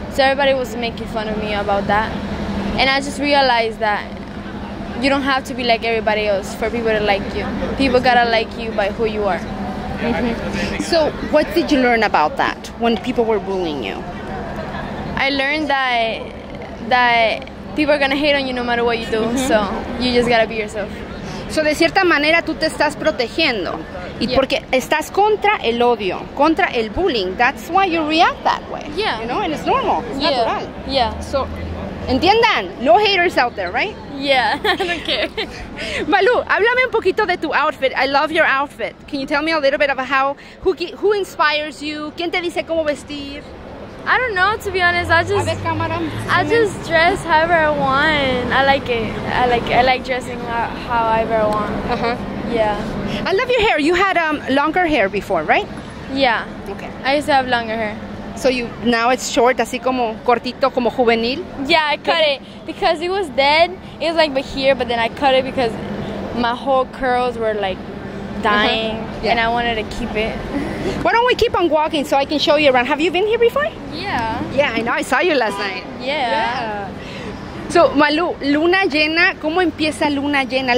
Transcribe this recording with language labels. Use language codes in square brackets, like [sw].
[en] So everybody was making fun of me about that. And I just realized that you don't have to be like everybody else for people to like you. People gotta like you by who you are. Mm-hmm. So what did you learn about that when people were bullying you? I learned that people are gonna hate on you no matter what you do, mm-hmm. So you just gotta be yourself. [es] So de cierta manera tú te estás protegiendo, y yeah. Porque estás contra el odio, contra el bullying. [en] That's why you react that way. Yeah. You know, and it's normal, it's yeah. natural. Yeah. So, entiendan, no haters out there, right? Yeah, I don't care. [es] Malu, háblame un poquito de tu outfit. [en] I love your outfit. Can you tell me a little bit about who inspires you? [es] ¿Quién te dice cómo vestir? [en] I don't know, to be honest. I just dress however I want. I like dressing however I want. Uh-huh. Yeah. I love your hair. You had longer hair before, right? Yeah. Okay. I used to have longer hair. So you now it's short, [es] así como cortito, como juvenil? [en] Yeah, I cut it because it was dead. It was like but here, but then I cut it because my whole curls were like dying, uh-huh. Yeah. And I wanted to keep it. Why don't we keep on walking so I can show you around? Have you been here before? Yeah, I know. I saw you last night. Yeah. [es] So, Malu, luna llena, ¿cómo empieza luna llena?